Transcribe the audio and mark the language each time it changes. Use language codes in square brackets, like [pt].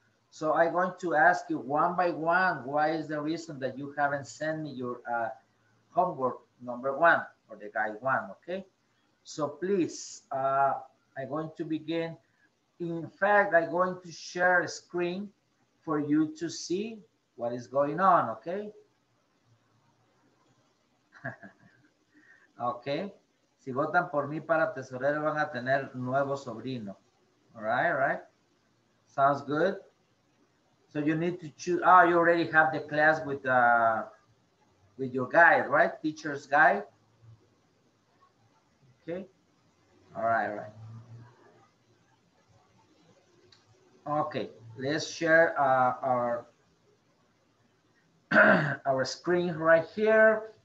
[en] So I'm going to ask you one by one, why is the reason that you haven't sent me your homework number one or the guide one, okay? So please, I'm going to begin. In fact, I'm going to share a screen for you to see what is going on, okay? Okay. [es] Si votan por mí para tesorero, van a tener nuevo sobrino. [en] All right? Sounds good. So you need to choose. Oh, you already have the class with your guide, right? Teacher's guide. Okay. All right. Okay, let's share our screen right here.